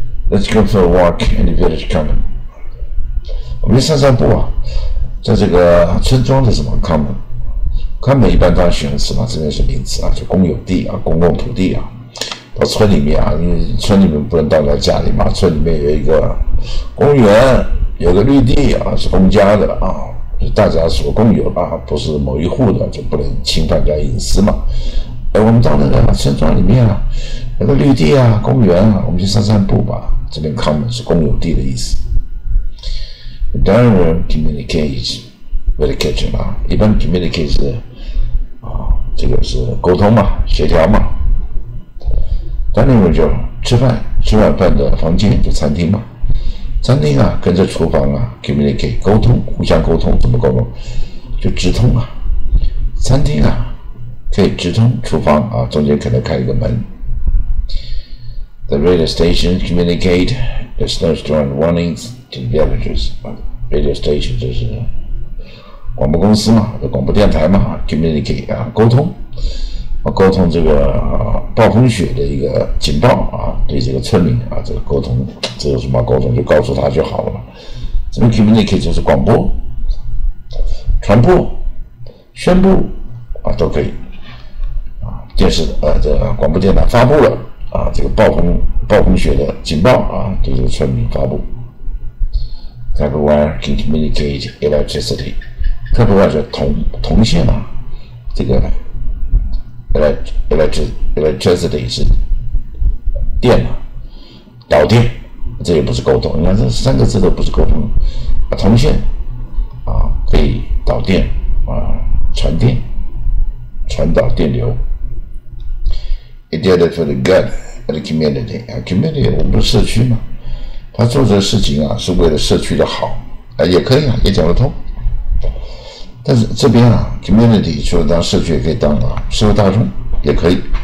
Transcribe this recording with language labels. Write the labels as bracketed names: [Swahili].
[English] Let's go for a walk in the village common。 [Chinese] 我们散散步啊，在这个村庄的什么 common 一般当形容词嘛，这边是名词啊，就公有地啊，公共土地啊。到村里面啊，因为村里面不能待在家里嘛，村里面有一个公园。有个绿地啊，是公家的啊，是大家所共有啊，不是某一户的，就不能侵犯人家隐私嘛。哎，我们到那个村庄里面啊，有个绿地啊，公园啊，我们去散散步吧。这边 common 是公有地的意思。 [English] The dining room communicates with the kitchen [Chinese] 啊，一般 communicates 啊，这个是沟通嘛，协调嘛。 Dining room 就吃饭，吃晚饭的房间就餐厅嘛。餐厅啊，跟着厨房啊 ，communicate 沟通，互相沟通，怎么沟通？就直通啊。餐厅啊，可以直通厨房啊，中间可能开一个门。 [English] The radio station communicate the snowstorm warnings to villagers. [Chinese] Radio station 就是广播公司嘛，广播电台嘛 ，communicate 啊，沟通，啊、沟通这个、暴风雪的一个警报啊。对这个村民啊，这个沟通，这有什么沟通就告诉他就好了。什么 communicate 就是广播、传播、宣布啊，都可以啊。电视这个、广播电台发布了啊，这个暴风雪的警报啊，对这个村民发布。 [English] Cable wire can communicate electricity。 Cable wire [Chinese] 是铜线啊，这个 [English] electricity 是。 [Chinese] 电啊，导电，这也不是沟通。你看这三个字都不是沟通。啊、铜线啊，可以导电啊，传电，传导电流。 [English] He did it for the good of the community. [Chinese] A community, 我们的社区嘛，他做这个事情啊，是为了社区的好，也可以啊，也讲得通。但是这边啊 ，community 除了当社区，也可以当啊，社会大众也可以。